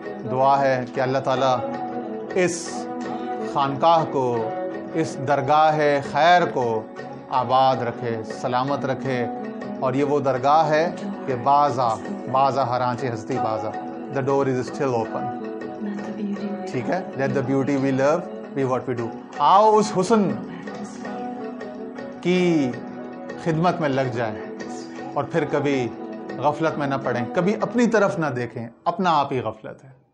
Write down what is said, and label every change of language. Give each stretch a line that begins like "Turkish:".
Urdu: دعا ہے کہ اللہ تعالیٰ اس خانقاہ کو, اس درگاہ خیر کو آباد رکھے, سلامت رکھے. اور یہ وہ درگاہ ہے کہ
Persian: بازا ہرانچی ہستی بازا,
English: the door is still open,
Urdu: ٹھیک ہے.
English: Let the beauty we love be what we do.
Urdu: آؤ اس حسن کی خدمت میں لگ جائیں اور پھر کبھی غفلت میں نہ پڑیں, کبھی اپنی طرف نہ دیکھیں, اپنا آپ ہی غفلت ہے.